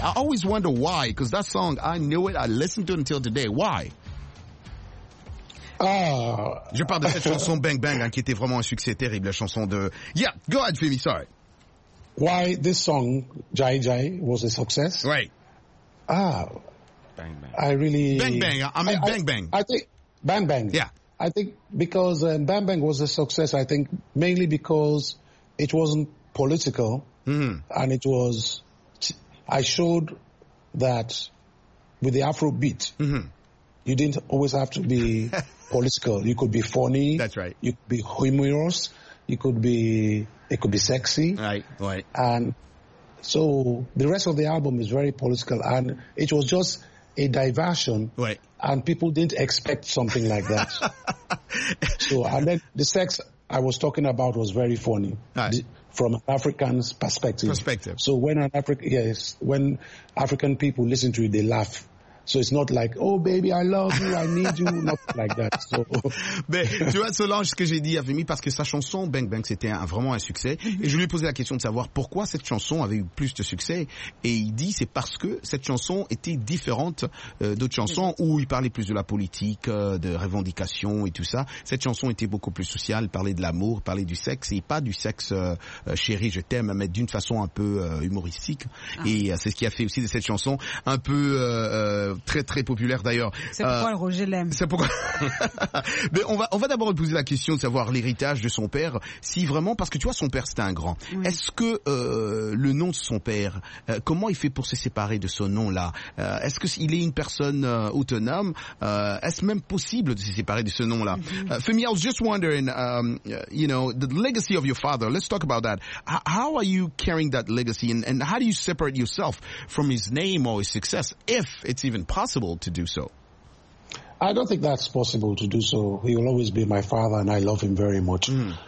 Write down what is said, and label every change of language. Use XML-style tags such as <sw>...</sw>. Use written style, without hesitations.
<en>I always wonder why, because that song, I knew it, I listened to it until today. Why?</en> <fr>Je parle de cette chanson Bang Bang, qui était vraiment un succès terrible, la chanson de...</fr> <en>Yeah, go ahead Femi, sorry. Why this song, Jai Jai, was a success? Right. Bang Bang. I really... Bang Bang, I mean Bang Bang. I think... Bang Bang. Yeah. I think because Bang Bang was a success, I think mainly because it wasn't political. And it was... I showed that with the Afro beat, you didn't always have to be political. You could be funny. That's right. You could be humorous. It could be sexy. Right. And so the rest of the album is very political, and it was just a diversion. Right. And people didn't expect something like that. So, and then the sex I was talking about was very funny. Right. From an African's perspective. Perspective. So when African people listen to it, they laugh. So it's not like, oh baby, I love you, I need you, nothing like that. So.</en> <fr>Mais tu vois, Solange, ce que j'ai dit à Vimi, parce que sa chanson, Bang Bang, c'était vraiment un succès. Et je lui ai posé la question de savoir pourquoi cette chanson avait eu plus de succès. Et il dit, c'est parce que cette chanson était différente d'autres chansons où il parlait plus de la politique, de revendications et tout ça. Cette chanson était beaucoup plus sociale, parlait de l'amour, parlait du sexe, et pas du sexe, chéri, je t'aime, mais d'une façon un peu humoristique. Ah. Et c'est ce qui a fait aussi de cette chanson un peu très très populaire d'ailleurs. C'est pourquoi Roger l'aime. C'est pourquoi. Mais on va d'abord lui poser la question de savoir l'héritage de son père, si vraiment, parce que tu vois, son père c'était un grand. Oui. Est-ce que le nom de son père, comment il fait pour se séparer de ce nom-là? Est-ce qu'il est une personne autonome? Est-ce même possible de se séparer de ce nom-là?</fr> <en>Femi, I was just wondering, you know, the legacy of your father. Let's talk about that. How are you carrying that legacy, and how do you separate yourself from his name or his success, if it's even possible to do so? I don't think that's possible to do so. He will always be my father, and I love him very much. Mm.</en>